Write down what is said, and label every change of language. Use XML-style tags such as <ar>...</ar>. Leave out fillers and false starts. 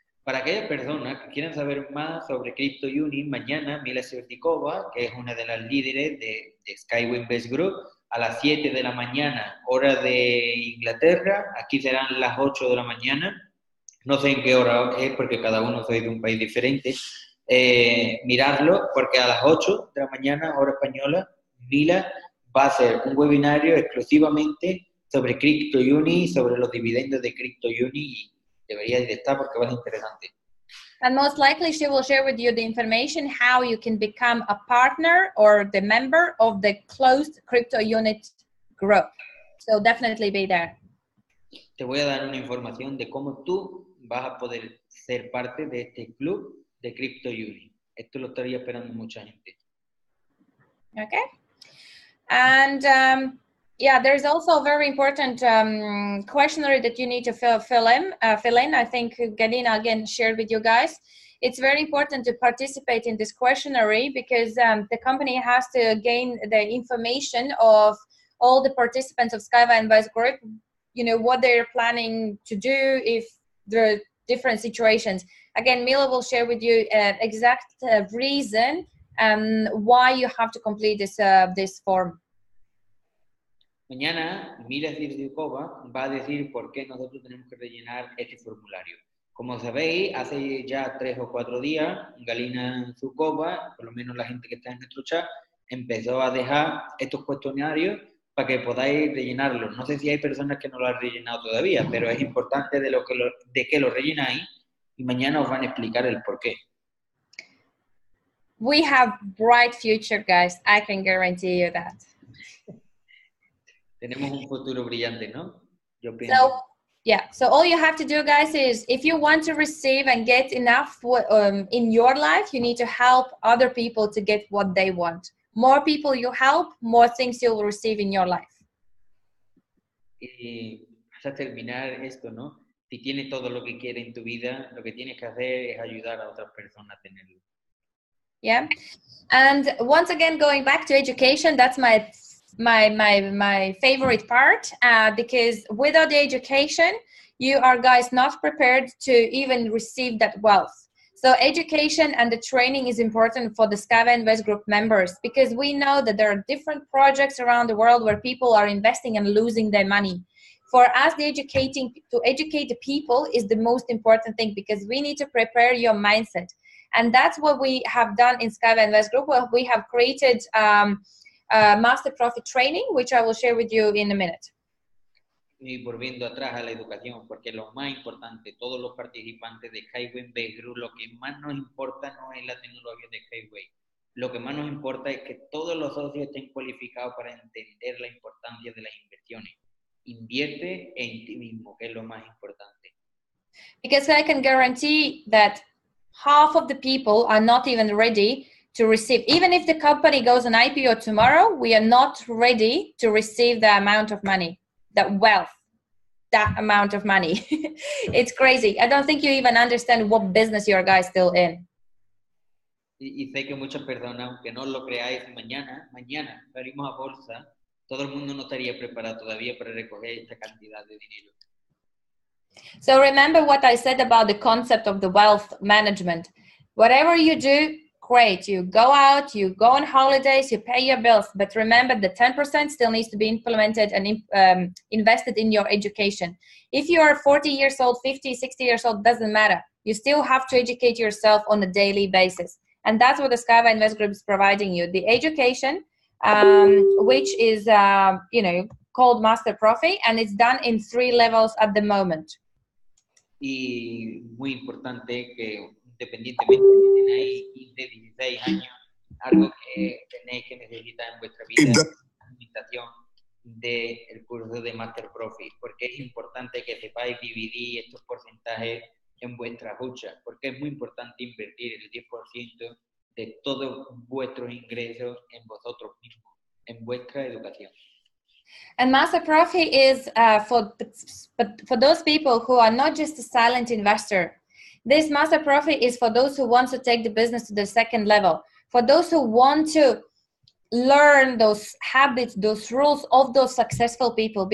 <es>Para aquellas personas que quieran saber más sobre Crypto Unit, mañana Mila Sertikova, que es una de las líderes de SkyWay Invest Group, a las 7 de la mañana, hora de Inglaterra, aquí serán las 8 de la mañana, no sé en qué hora es porque cada uno soy de un país diferente, mirarlo, porque a las 8 de la mañana, hora española, Mila va a ser un webinario exclusivamente sobre Crypto Uni, sobre los dividendos de Crypto Uni, y debería de estar porque va a ser interesante.</es> <en>And most likely she will share with you the information how you can become a partner or the member of the closed Crypto Unit group. So definitely be there.</en> <es>Te voy a dar una información de cómo tú vas a poder ser parte de este club de Crypto Uni. Esto lo estaría esperando mucha gente.</es> <en>Okay. And yeah, there's also a very important questionnaire that you need to fill in. I think Galina again shared with you guys. It's very important to participate in this questionnaire because the company has to gain the information of all the participants of SkyWay Invest Group, you know, what they're planning to do if the different situations. Again, Mila will share with you exact reason why you have to complete this this form.</en> <es>Mañana, Mila Sirdiukova va a decir por qué nosotros tenemos que rellenar este formulario. Como sabéis, hace ya 3 o 4 días, Galina Zukova, por lo menos la gente que está en nuestro chat, empezó a dejar estos cuestionarios para que podáis rellenarlos. No sé si hay personas que no lo han rellenado todavía, pero es importante de qué lo rellenáis, y mañana os van a explicar el por qué.</es> <en>We have bright future, guys. I can guarantee you that.</en> <es>Tenemos un futuro brillante, ¿no? Yo pienso.</es> <en>Yeah, so all you have to do, guys, is if you want to receive and get enough in your life, you need to help other people to get what they want. More people you help, more things you will receive in your life.</en> <es>Y vas a terminar esto, ¿no? Si tienes todo lo que quieres en tu vida, lo que tienes que hacer es ayudar a otras personas a tenerlo.</es> <en>Yeah, and once again, going back to education, that's my favorite part, because without the education, you are guys not prepared to even receive that wealth. So education and the training is important for the SkyWay Invest Group members, because we know that there are different projects around the world where people are investing and losing their money. For us, to educate the people is the most important thing, because we need to prepare your mindset. And that's what we have done in SkyWay Invest Group, where we have created Master PROFI training, which I will share with you in a minute.</en> <es>Y volviendo atrás a la educación, porque lo más importante, todos los participantes de SkyWay Invest Group, lo que más nos importa no es la tecnología de SkyWay. Lo que más nos importa es que todos los socios estén cualificados para entender la importancia de las inversiones. Invierte en ti mismo, que es lo más importante.</es> <en>Because I can guarantee that half of the people are not even ready to receive, even if the company goes on IPO tomorrow, we are not ready to receive the amount of money, that wealth, that amount of money. It's crazy. I don't think you even understand what business you are guys still in.</en> <es>Y sé que muchas personas, aunque no lo creáis, mañana salimos a bolsa, todo el mundo no estaría preparado todavía para recoger esta cantidad de dinero.</es> <en>So remember what I said about the concept of the wealth management. Whatever you do, great, you go out, you go on holidays, you pay your bills, but remember the 10% still needs to be implemented and invested in your education. If you are 40 years old, 50, 60 years old, doesn't matter. You still have to educate yourself on a daily basis. And that's what the SkyWay Invest Group is providing you. The education, which is called Master PROFI, and it's done in 3 levels at the moment.</en> <es>Y muy importante que independientemente de que tenéis 15, 16 años, algo que tenéis que necesitar en vuestra vida es la invitación del curso de Master PROFI, porque es importante que sepáis dividir estos porcentajes en vuestras huchas, porque es muy importante invertir el 10% de todos vuestros ingresos en vosotros mismos, en vuestra educación.</es> <en>And Master PROFI is for those people who are not just a silent investor. This Master PROFI is for those who want to take the business to the second level, for those who want to learn those habits, those rules of those successful people.</en>